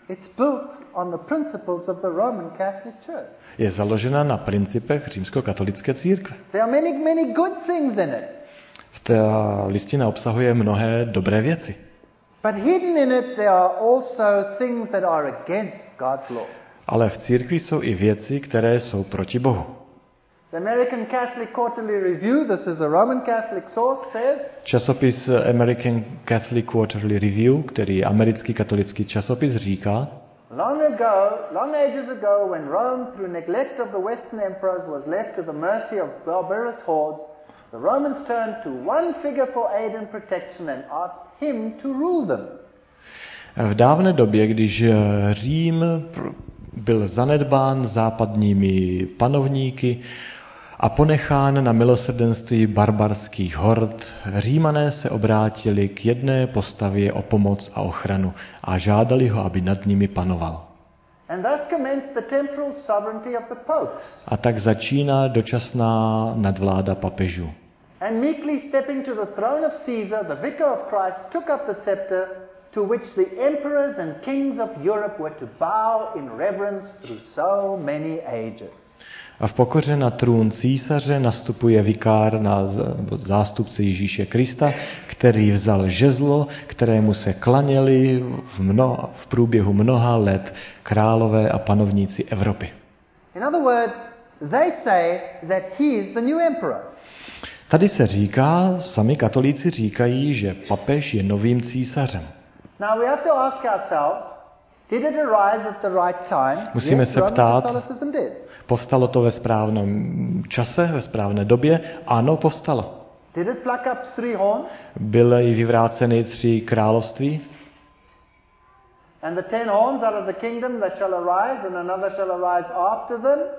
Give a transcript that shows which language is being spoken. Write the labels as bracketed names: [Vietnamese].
[English] It's built on the principles of the Roman Catholic Church. [Czech] Je založena na principech římskokatolické církve. [English] There are many, many good things in it. [Czech] Ta listina obsahuje mnohé dobré věci. [English] But hidden in it there are also things that are against God's law. [Czech] Ale v církvi jsou i věci, které jsou proti Bohu. [English] The American Catholic Quarterly Review, this is a Roman Catholic source, says. [Czech] Časopis American Catholic Quarterly Review, který je americký katolický časopis, říká. [English] Long ages ago, when Rome through neglect of the Western emperors was left to the mercy of barbarous hordes, the Romans turned to one figure for aid and protection and asked him to rule them. [Czech] V dávné době, když Řím byl zanedbán západními panovníky a ponechán na milosrdenství barbarských hord, Římané se obrátili k jedné postavě o pomoc a ochranu a žádali ho, aby nad nimi panoval. [English] And thus commenced the temporal sovereignty of the popes. [Czech] A tak začíná dočasná nadvláda papežů. [English] And meekly stepping to the throne of Caesar, the vicar of Christ took up the scepter to which the emperors and kings of Europe were to bow in reverence through so many ages. [Czech] A v pokoře na trůn císaře nastupuje vikár na zástupce Ježíše Krista, který vzal žezlo, kterému se klaněli v průběhu mnoha let králové a panovníci Evropy. [English] In other words, they say that he is the new emperor. [Czech] Tady se říká, sami katolíci říkají, že papež je novým císařem. [English] Now we have to ask ourselves, did it arise at the right time? [Czech] Musíme se ptát, povstalo to ve správném čase, ve správné době? Ano, povstalo. [English] Did it pluck up three horns? [Czech] Byly vyvráceny tři království? [English] And the ten horns out of the kingdom that shall arise and another shall arise after them?